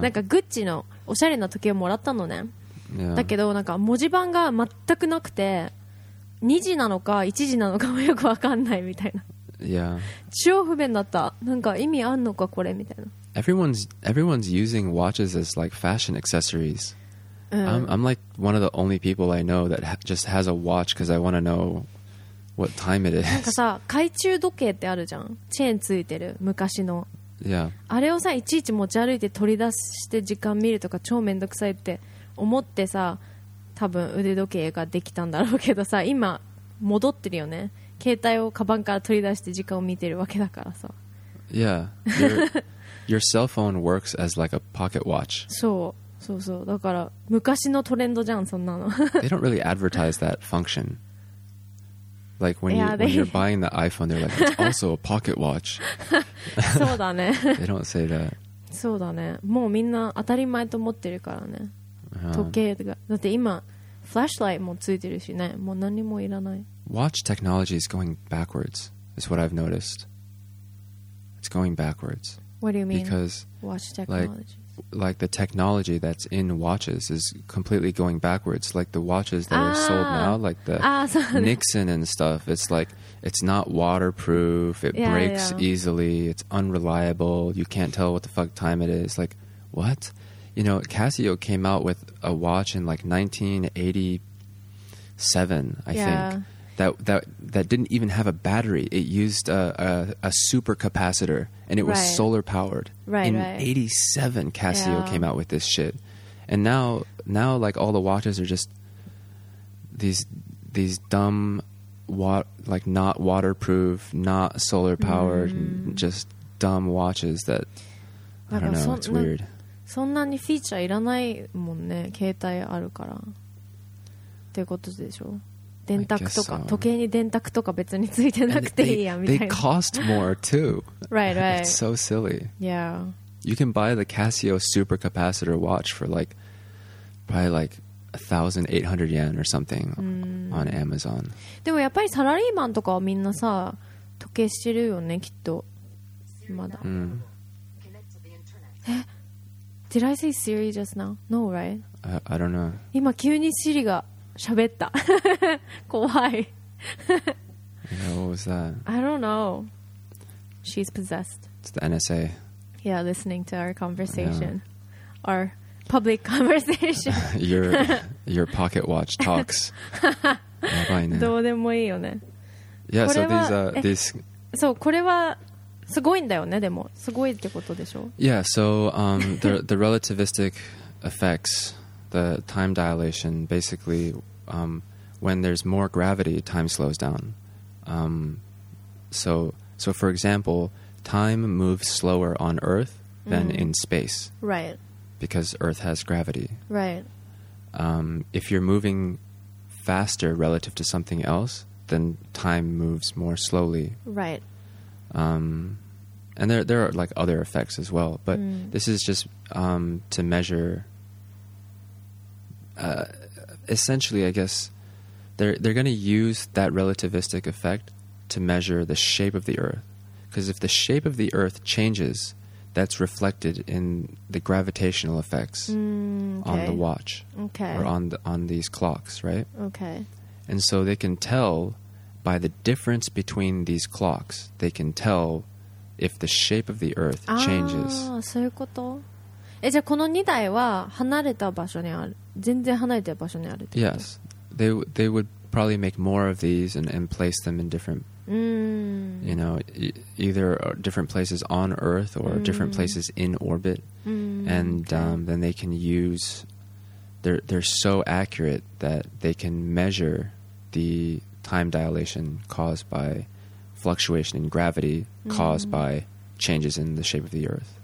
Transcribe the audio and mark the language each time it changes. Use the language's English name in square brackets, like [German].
[Japanese] なんかグッチのおしゃれな時計をもらったのね。 [English] Yeah. [Japanese] だけど、なんか文字盤が全くなくて、2時なのか1時なのかもよく分かんないみたいな。 [English] Yeah. [Japanese] 超不便だった。なんか意味あんのかこれみたいな。 [English] Everyone's using watches as like fashion accessories. I'm like one of the only people I know that just has a watch because I want to know what time it is. [Japanese] なんかさ、懐中時計ってあるじゃん。チェーンついてる昔の。 [English] Yeah. [Japanese] あれをさ、いちいち持ち歩いて取り出して時間見るとか超めんどくさいって思ってさ、多分腕時計ができたんだろうけどさ、今戻ってるよね。携帯をカバンから取り出して時間を見てるわけだからさ。 [English] Yeah. Your cell phone works as like a pocket watch. [Japanese] そう。そうそう。だから昔のトレンドじゃん、そんなの。 [English] They don't really advertise that function. Like when you're buying the iPhone, they're like, it's also a pocket watch. [Japanese] そうだね。 [English] They don't say that. [Japanese] そうだね。もうみんな当たり前と思ってるからね。時計が。だって今、flashlight もついてるしね。もう何もいらない。 [English] Watch technology is going backwards, is what I've noticed. It's going backwards. What do you mean? Because watch technology. Like the technology that's in watches is completely going backwards. Like the watches that are sold now, like the Nixon and stuff, it's like, it's not waterproof, it breaks easily, it's unreliable, you can't tell what the fuck time it is. Like, what? You know, Casio came out with a watch in like 1987, I think. That didn't even have a battery. It used a super capacitor, and it was solar powered. Right, in 87, Casio came out with this shit, and now like all the watches are just these dumb, like not waterproof, not solar powered, just dumb watches that I don't know. It's weird. [Japanese] そんなにフィーチャーいらないもんね。携帯あるからってことでしょ。電卓とか、 [English] so. [Japanese] 時計に電卓とか別についてなくていいやみたいな。 [English] They cost more too. Right, right. It's so silly. Yeah. You can buy the Casio supercapacitor watch for like probably like 1,800 yen or something on Amazon. [Japanese] でもやっぱりサラリーマンとかはみんなさ、時計してるよねきっと。まだ。 Mm. [English] Did I say Siri just now? No, right? I don't know. [Japanese] 今急に Siri が喋った。怖い。 [English] Yeah, what was that? I don't know. She's possessed. It's the NSA. Yeah, listening to our conversation. Yeah. Our public conversation. your pocket watch talks. [Japanese] やばいね。どうでもいいよね。 [English] Yeah, so these are... these... [Japanese] そう、これは。すごいんだよね、でも。すごいってことでしょ? [English] Yeah, so the relativistic effects, the time dilation, basically, when there's more gravity, time slows down. So for example, time moves slower on Earth than in space. Right. Because Earth has gravity. Right. If you're moving faster relative to something else, then time moves more slowly. Right. And there are like other effects as well, but this is just to measure. Essentially, I guess they're going to use that relativistic effect to measure the shape of the Earth, because if the shape of the Earth changes, that's reflected in the gravitational effects on the watch or on these clocks, right? Okay. And so they can tell by the difference between these clocks. They can tell. If the shape of the earth changes. [Japanese] ああ、そういうこと。え、じゃあこの2台は離れた場所にある。全然離れた場所にあるってこと? [English] Yes. They would probably make more of these and place them in different, you know, either different places on earth or different places in orbit. And then they can use, they're so accurate that they can measure the time dilation caused by fluctuation in gravity caused by changes in the shape of the earth.